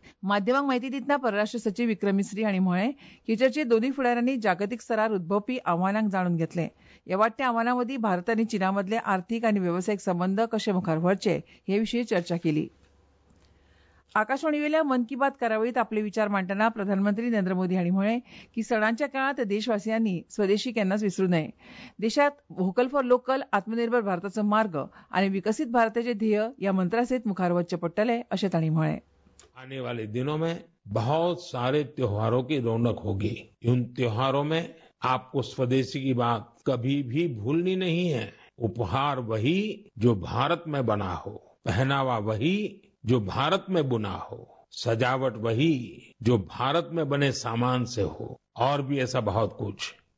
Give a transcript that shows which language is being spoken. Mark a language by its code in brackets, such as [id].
[gom] माध्यमांक म्हायती दितना परराष्ट्र सचिव विक्रम मिसरी हांणी म्हळें की चर्चेत दोनूय फुडाऱ्यांनी जागतीक स्तरार उद्भवपी आव्हानांक जाणून घेतले. ह्या वाडट्या आव्हानां मदीं भारत आनी चीना मदले आर्थिक आनी वेवसायीक संबंध कशे मुखार व्हरचे हे विशीं चर्चा केली. आकाशवाणी वेल्या मन की बात कार्यावळीत आपले विचार मांडटना प्रधानमंत्री नरेंद्र मोदी हांणी म्हळें की सणांच्या काळांत देशवासियांनी स्वदेशी केन्नाच विसरू नये. देशांत व्होकल फॉर लोकल, आत्मनिर्भर भारताचो मार्ग आनी विकसीत भारताचे ध्येय ह्या मंत्रासयत मुखार वचचे पडटले अशें तांणी म्हळें. [hi] आने वाले दिनों में बहुत सारे त्योहारों की रौनक होगी. उन त्योहारों में आपको स्वदेशी की बात कभी भी भूलनी नहीं है. उपहार वही जो भारत में बना हो, पहनावा वही जो भारत में बुना हो, सजावट वही जो भारत में बने सामान से हो, और भी ऐसा बहुत कुछ.